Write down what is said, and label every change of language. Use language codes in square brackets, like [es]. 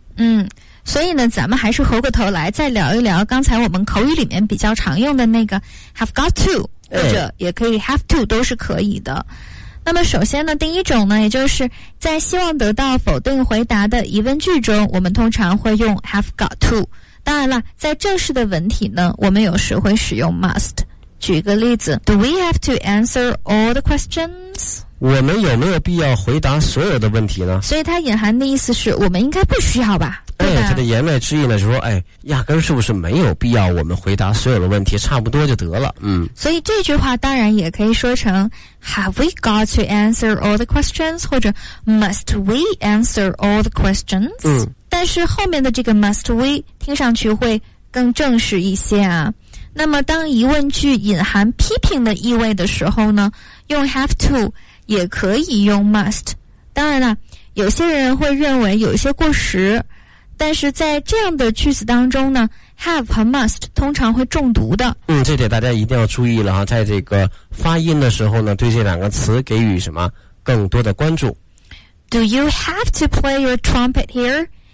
[zh] 嗯，所以呢，咱们还是回过头来再聊一聊刚才我们口语里面比较常用的那个 have got to， 或者也可以 have to， 都是可以的。那么首先呢，第一种呢，也就是在希望得到否定回答的疑问句中，我们通常会用 have got to。当然了，在正式的文体呢，我们有时会使用 must。举个例子， [en] Do we have to answer all the questions？ [zh] 我们有没有必要回答所有的问题呢？所以它隐含的意思是我们应该不需要吧。它的言外之意呢，就说哎，压根是不是没有必要我们回答所有的问题，差不多就得了。嗯，所以这句话当然也可以说成 [en] Have we got to answer all the questions， 或者 Must we answer all the questions？ [zh] 嗯，但是后面的这个 Must we 听上去会更正式一些啊。那么当疑问句隐含批评的意味的时候呢，用 have to 也可以用 must。当然了，有些人会认为有些过时，但是在这样的句子当中呢， have 和 must 通常会中毒的。嗯，这点大家一定要注意了哈，在这个发音的时候呢，对这两个词给予什么更多的关注。 [en] Do you have to play your trumpet here?